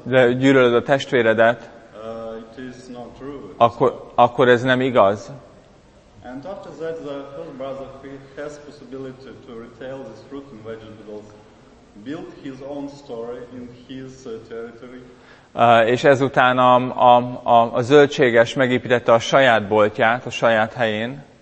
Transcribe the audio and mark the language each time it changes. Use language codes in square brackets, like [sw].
[hu] de gyűlölöd a testvéredet, [en] it is not true, [hu] akkor ez nem igaz. [en] And after that, the first brother has possibility to retail this fruit and vegetables, build his own store in his territory. [hu] És ezután a zöldséges megépítette a saját boltját a saját helyén.